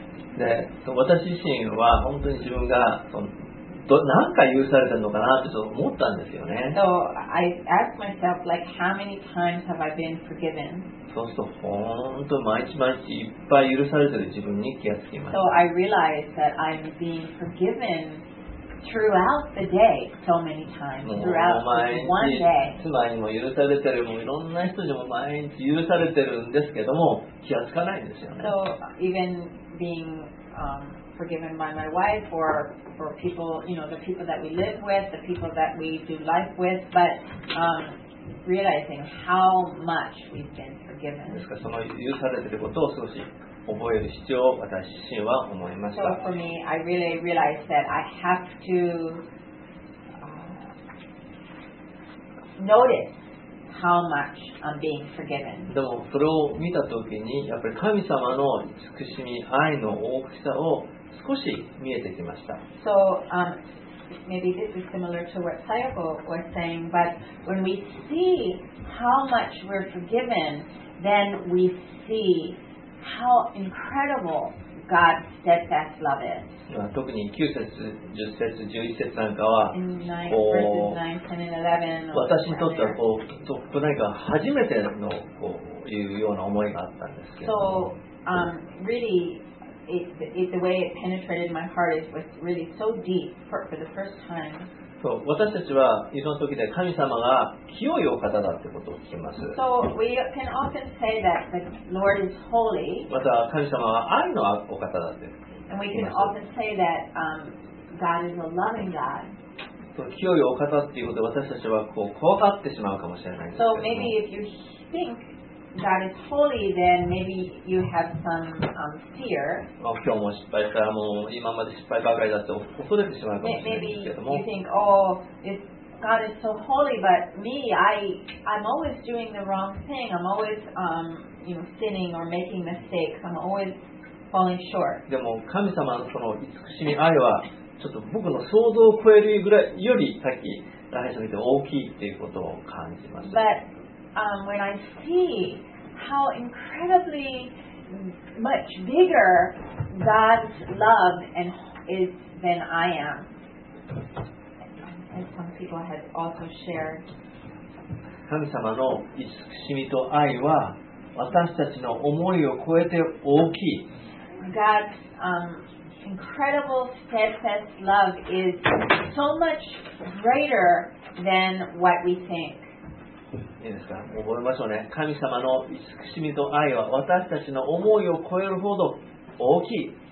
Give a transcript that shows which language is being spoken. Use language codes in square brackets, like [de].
[ja] で私自身は本当に自分が何回許されてるのかなって思ったんですよね。 [en] So I asked myself, like, how many times have I been forgiven? [ja] そうすると本当毎日毎日いっぱい許されてる自分に気がつきました。 [en] So I realized that I'm being forgiven throughout the day so many times, throughout one day. [ja] 妻にも許されてる、もういろんな人にも毎日許されてるんですけども気がつかないんですよね。 [en] So evenBeing forgiven by my wife or for people, you know, the people that we live with, the people that we do life with, but realizing how much we've been forgiven. [ja] ですからその許されていることを少し覚える必要を私自身は思いました。 [en] So for me, I really realized that I have to notice. How much I'm being forgiven. [ja] でもそれを見たときにやっぱり神様の慈しみ愛の大きさを少し見えてきました。 [en] So, maybe this is similar to what Sayoko was saying, but when we see how much we're forgiven, then we see how incredible God's steadfast love is. [ja] 特に9節、10節、11節なんかは、私にとってはこう、何か初めてのこういうような思いがあったんですけど。 [en] So, really, the way it penetrated my heart is was really so deep for the first time. [ja] そう、私たちはいろんな時で神様が清いお方だってことを聞きます。 [en] So we can often say that the Lord is holy. [ja] また神様は愛のお方だって。 [en] And we can often say that God is a loving God. [ja] その清いお方っていうことで私たちはこう怖がってしまうかもしれないですけども [en] So maybe if you think that it's holy, then maybe you have some fear. [ja] 今日も失敗したらもう今まで失敗ばかりだって恐れてしまうかもしれないですけども。 [en] Maybe you think, oh, it's God is so holy, but me, I'm always doing the wrong thing. I'm always, you know, sinning or making mistakes. I'm always falling short. [ja] でも神様のその慈しみ愛はちょっと僕の想像を超えるぐらいよりさっき大変見て大きいっていうことを感じました。 [en] But when I see how incredibly much bigger God's love is than I am, as some people had also shared. [ja] 神様の慈しみと愛は私たちの思いを超えて大きい。 [en] God's incredible steadfast love is so much greater than what we think. [ja] いいですか？覚えましょうね。神様の慈しみと愛は私たちの思いを超えるほど大きい。